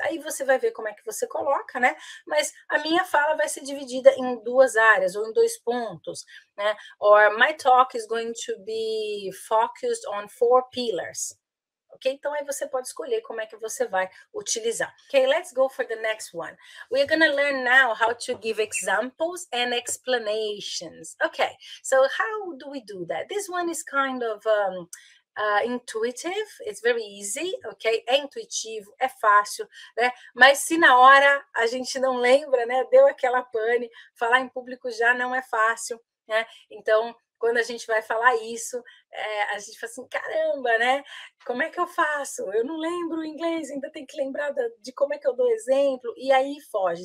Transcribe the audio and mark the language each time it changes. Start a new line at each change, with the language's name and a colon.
Portuguese: Aí você vai ver como é que você coloca, né? Mas a minha fala vai ser dividida em duas áreas ou em dois pontos, né?
English: Or my talk is going to be focused on four pillars. Ok?
Portuguese: Então aí você pode escolher como é que você vai utilizar.
English: Ok, let's go for the next one. We're going to learn now how to give examples and explanations. Ok, so how do we do that? This one is kind of intuitive, it's very easy, ok?
Portuguese: É intuitivo, é fácil, né? Mas se na hora a gente não lembra, né? Deu aquela pane, falar em público já não é fácil, né? Então, quando a gente vai falar isso, a gente fala assim, caramba, né? Como é que eu faço? Eu não lembro o inglês, ainda tem que lembrar de como é que eu dou exemplo. E aí foge.